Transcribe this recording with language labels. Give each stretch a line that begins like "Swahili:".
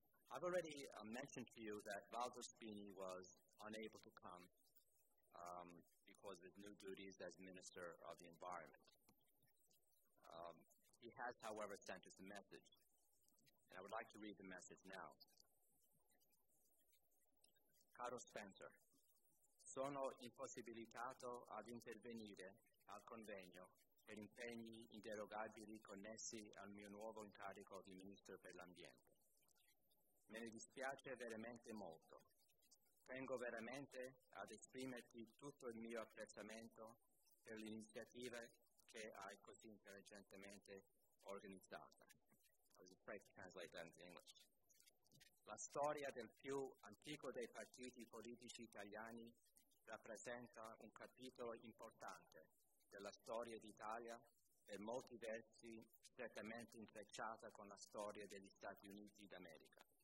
English: I've already mentioned to you that Giorgio Spini was unable to come because of his new duties as Minister of the Environment. He has, however, sent us a message, and I would like to read the message now.
Italian: Caro Spencer, sono impossibilitato ad intervenire al convegno per impegni inderogabili connessi al mio nuovo incarico di Ministro per l'Ambiente. Me ne dispiace veramente molto. Tengo veramente ad esprimerti tutto il mio apprezzamento per l'iniziativa che hai così intelligentemente organizzata.
English: I was afraid to translate that into English.
Italian: La storia del più antico dei partiti politici italiani rappresenta un capitolo importante della storia d'Italia, per molti versi strettamente intrecciata con la storia degli Stati Uniti d'America.